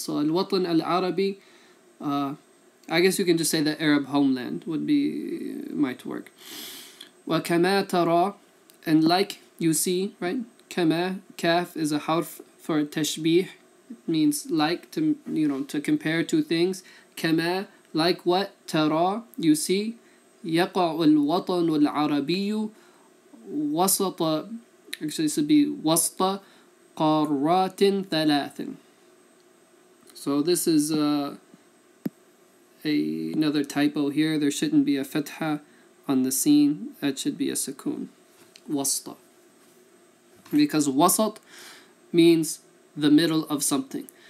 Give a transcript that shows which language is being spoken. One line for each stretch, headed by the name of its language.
English: So
Arabic: al-watan al-arabi,
English: I guess you can just say the Arab homeland would be, might work.
Arabic: Wa kama tara,
English: and like you see, right? Kama, kaf is a harf for tashbih. It means like, to, you know, to compare two things.
Arabic: كَمَا,
English: like what,
Arabic: تَرَى,
English: you see.
Arabic: يَقَعُ الْوَطَنُ الْعَرَبِيُّ وَسَطَ,
English: actually this would be
Arabic: وَسْطَ قَارَّاتٍ ثَلَاثٍ.
English: So this is another typo here. There shouldn't be a fatha on the scene. That should be a sukun.
Arabic: وَسْطَ.
English: Because وَسَط means the middle of something.